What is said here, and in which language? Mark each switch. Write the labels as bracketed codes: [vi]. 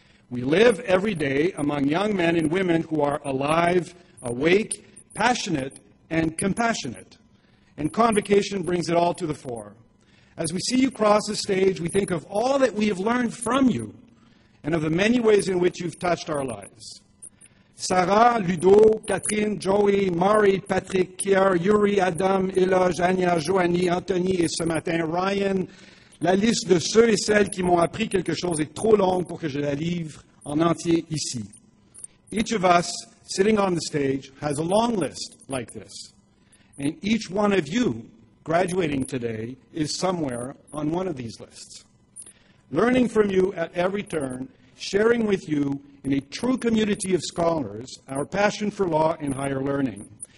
[en] We live every day among young men and women who are alive, awake, passionate, and compassionate. And convocation brings it all to the fore. As we see you cross the stage, we think of all that we have learned from you and of the many ways in which you've touched our lives. [fr] Sarah, Ludo, Catherine, Joey, Mari, Patrick, Kier, Yuri, Adam, Ella, Jania, Joanie, Anthony, et ce matin, Ryan, la liste de ceux et celles qui m'ont appris quelque chose est trop longue pour que je la livre en entier ici. [en] Each of us sitting on the stage has a long list like this. And each one of you graduating today is somewhere on one of these lists. Learning from you at every turn, sharing with you in a true community of scholars our passion for law and higher learning.